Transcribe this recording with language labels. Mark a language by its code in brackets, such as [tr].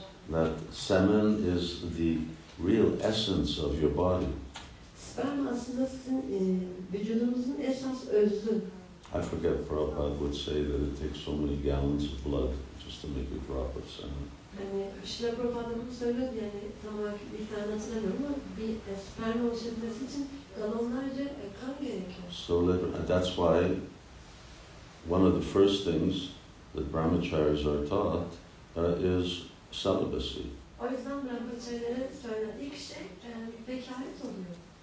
[en] That semen is the real essence of your body. I forget, Prabhupada would say that it takes so many gallons of blood just to make a drop of semen. [tr] Srila Prabhupada bunu söyledi yani tam olarak bir tane hatırlamıyorum ama bir sperm oluşabilmesi için galonlarca kan gerekiyor. [en] So that's why one of the first things that brahmacharis are taught is celibacy. [tr] O yüzden brahmacharilere söylenen ilk şey bekaret oluyor.